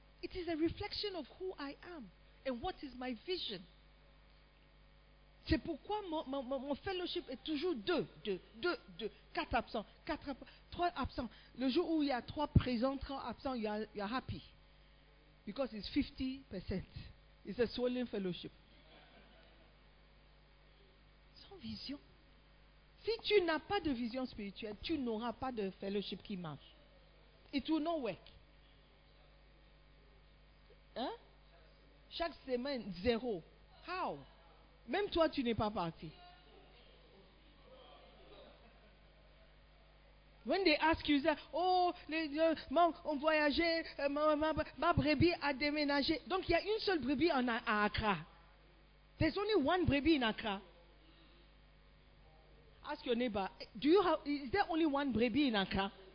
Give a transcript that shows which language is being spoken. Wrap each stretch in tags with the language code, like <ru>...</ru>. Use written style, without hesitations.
<en>It is a reflection of who I am and what is my vision.</en> <fr>C'est pourquoi mon fellowship est toujours deux, quatre absents, trois absents. Le jour où il y a trois présents, trois absents,</fr> <en>you are happy. Because it's 50%. It's a swollen fellowship. Vision.</en> <fr>Si tu n'as pas de vision spirituelle, tu n'auras pas de fellowship qui marche.</fr> <en>It will not work.</en> <fr>Hein? Chaque semaine, zéro.</fr> <en>How?</en> <fr>Même toi, tu n'es pas parti.</fr> <en>When they ask you, oh,</en> <fr>on voyageait, ma brebis a déménagé. Donc, il y a une seule brebis à Accra.</fr> <en>There's only one brebis in Accra. Ask your neighbor, is there only one baby in Accra?</en>